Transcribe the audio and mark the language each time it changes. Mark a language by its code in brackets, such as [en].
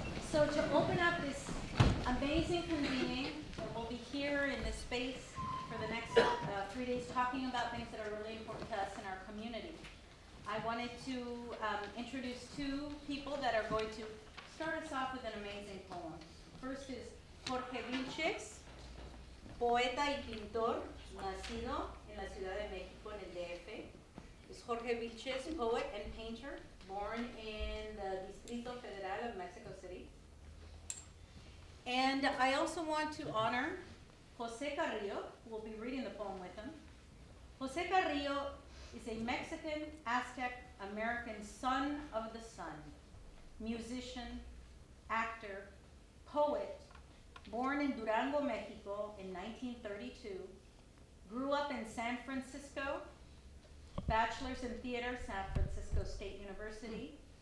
[en] So to open up this amazing convening, we'll be here in this space for the next 3 days talking about things that are really important to us in our community. I wanted to introduce two people that are going to start us off with an amazing poem. First is [es] Jorge Vilches, poeta y pintor, nacido en la Ciudad de México, en el DF. [en] Is Jorge Vilches, poet and painter, born in the Distrito Federal of Mexico City. And I also want to honor Jose Carrillo, who will be reading the poem with him. Jose Carrillo is a Mexican, Aztec, American son of the sun, musician, actor, poet, born in Durango, Mexico in 1932, grew up in San Francisco, bachelor's in theater, San Francisco State University.